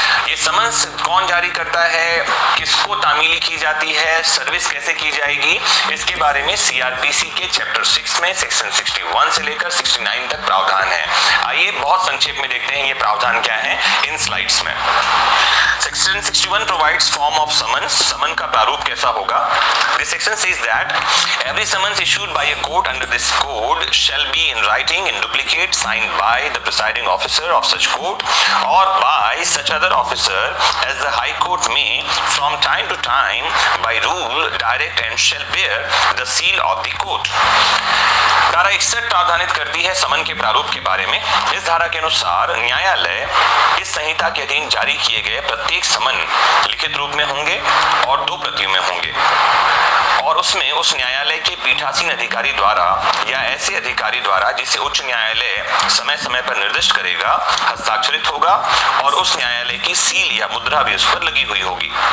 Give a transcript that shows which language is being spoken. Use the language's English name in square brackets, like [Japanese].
[Hindi] ये समन्स कौन जारी करता है, किसको तामीली की जाती है, सर्विस कैसे की जाएगी, इसके बारे में सीआरपीसी के चैप्टर 6 में सेक्शन 61 से लेकर 69 तक प्रावधान है। आइए बहुत संक्षेप में देखते हैं ये प्रावधान क्या है इन स्लाइड्स में। [English] Section 61 provides form of summons. [Hindi] Summon का प्रारूप कैसा होगा? [English] This section says that every summons issued by a court under this code shall be in writing in duplicate signed by the presiding officer of such court or by such other officer as the High Court may from time to time by rule direct and shall bear the seal of the court. [Hindi] धारा 61 प्रावधानित करती है समन के प्रारूप के बारे में। इस धारा के अनुसार न्यायालय इस संहिता के अधीन जारी किए गए प्रत्येक समन लिखित रूप में होंगे और दो प्रतियों में होंगे, और उसमें उस न्यायालय के पीठासीन अधिकारी द्वारा या ऐसे अधिकारी द्वारा जिसे उच्च न्यायालय समय समय पर निर्दिष्ट करेगा हस्ताक्षरित होगा, और उस न्यायालय की सील या मुद्रा भी उस पर लगी हुई होगी।